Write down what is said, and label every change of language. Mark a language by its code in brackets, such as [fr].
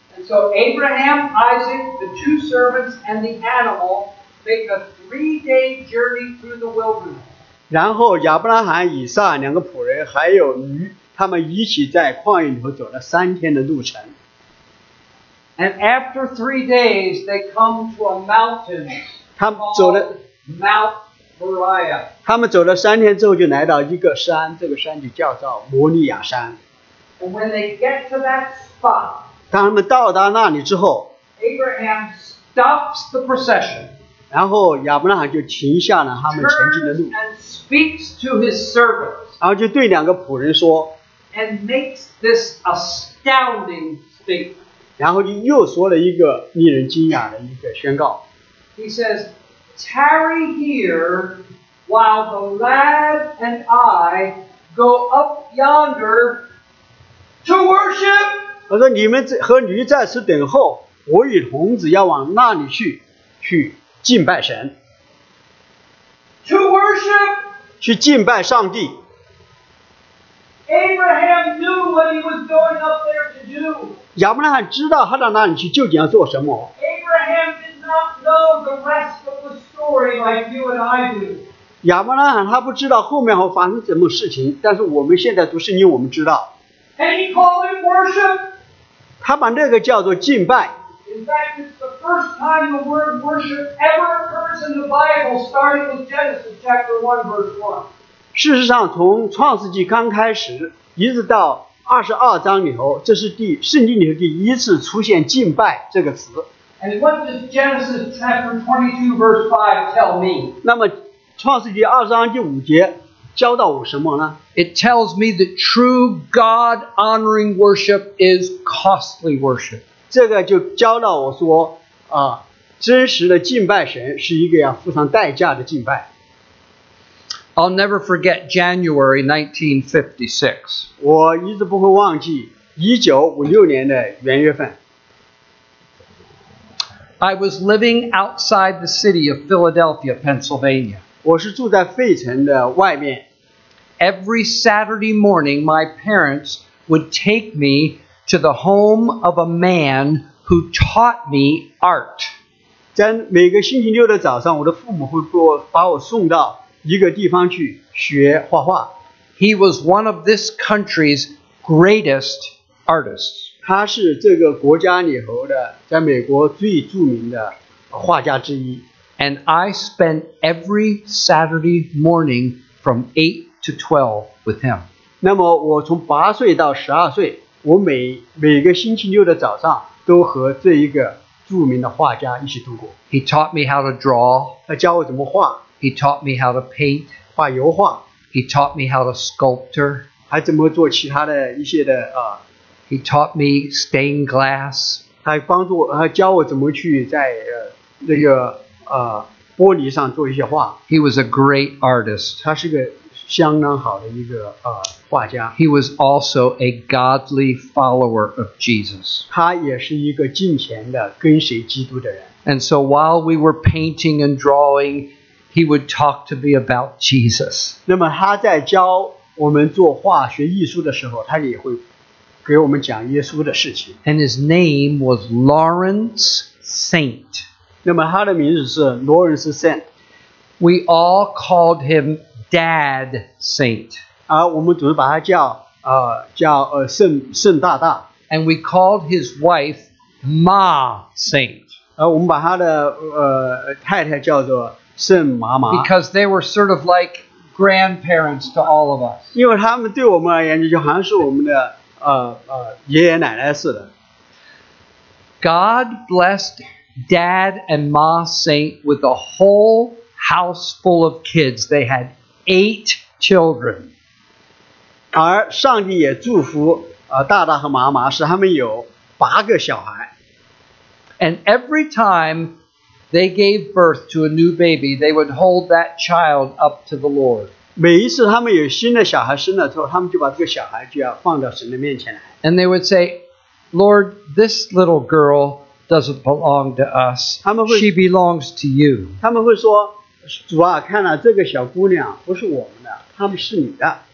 [en] And so Abraham, Isaac, the two servants, and the animal make a three-day journey through the wilderness. [zh] 然后亚伯拉罕、以撒两个仆人还有驴，他们一起在旷野里头走了三天的路程。 [en] And after 3 days, they come to a mountain. [zh] 他们走了。 [en] Mount Moriah. [zh] 他们走了三天之后就来到一个山，这个山就叫做摩利亚山。 [en] And when they get to that spot, [zh] 当他们到达那里之后， [en] Abraham stops the procession. [zh] 然后亚伯拉罕就停下了他们前进的路。 [en] Turns and speaks to his servants. [zh] 然后就对两个仆人说， [en] and makes this astounding statement. [zh] 然后就又说了一个令人惊讶的一个宣告。 [en] He says,Tarry here while the lad and I go up yonder to worship. [zh] 他说你们和驴在此等候，我与童子要往那里去，去敬拜神。 [en] To worship. [zh] 去敬拜上帝。 [en] Abraham knew what he was going up there to do. [zh] 亚伯拉罕知道他到那里去究竟要做什么。 [en] Abraham did not know the rest of the story. [zh] 亚伯拉罕他不知道后面会发生什么事情，但是我们现在读圣经我们知道。 [en] And he called it worship. [zh] 他把那个叫做敬拜。 [en] In fact, it's the first time the word worship ever occurs in the Bible, starting with Genesis chapter 1, verse 1. [zh] 事实上，从创世纪刚开始，一直到二十二章里头，这是圣经里头第一次出现敬拜这个词。 [en] And what does Genesis chapter 22 verse 5 tell me? [zh] 那么创世纪二章第五节教导我什么呢？ [en] It tells me that true God-honoring worship is costly worship. [zh] 这个就教导我说啊，真实的敬拜神是一个要付上代价的敬拜。 [en] I'll never forget January 1956. [zh] 我一直不会忘记1956年的元月份。 [en] I was living outside the city of Philadelphia, Pennsylvania. [zh] 我是住在费城的外面。 [en] Every Saturday morning, my parents would take me to the home of a man who taught me art. [zh] 在每个星期六的早上，我的父母会把我送到一个地方去学画画。 [en] He was one of this country's greatest artists. [zh] 他是这个国家里头的，在美国最著名的画家之一。 [en] And I spent every Saturday morning from 8 to 12 with him. [zh] 那么我从8岁到12岁，我每个星期六的早上都和这一个著名的画家一起度过。 [en] He taught me how to draw. [zh] 他教我怎么画。 [en] He taught me how to paint. [zh] 画油画。 [en] He taught me how to sculpture. [zh] 还怎么做其他的一些的啊。 [en] He taught me stained glass. [zh] 他帮助我，他教我怎么去在那个玻璃上做一些画。 [en] He was a great artist. [zh] 他是个相当好的一个画家。 [en] He was also a godly follower of Jesus. [zh] 他也是一个敬虔的跟随基督的人。 [en] And so while we were painting and drawing, he would talk to me about Jesus. [zh] 那么他在教我们做画学艺术的时候，他也会给我们讲耶稣的事情。 [en] And his name was Lawrence Saint. [zh] 那么他的名字是 Lawrence Saint. [en] We all called him Dad Saint. [zh] 我们总是把他叫圣大大。 [en] And we called his wife Ma Saint. [zh] 我们把他的太太叫做圣妈妈。 [en] Because they were sort of like grandparents to all of us. [zh] 因为他们对我们而言就好像是我们的爷爷奶奶似的。 [en] God blessed Dad and Ma Saint with a whole house full of kids. They had 8 children. [zh] 而上帝也祝福大大和妈妈，使他们有八个小孩。 [en] And every time they gave birth to a new baby, they would hold that child up to the Lord. [zh] 每一次他们有新的小孩生了之后，他们就把这个小孩就要放到神的面前来。 [en] And they would say, Lord, this little girl doesn't belong to us. She belongs to you. [zh] 他们会说，主啊，看了这个小姑娘不是我们的，她们是你的。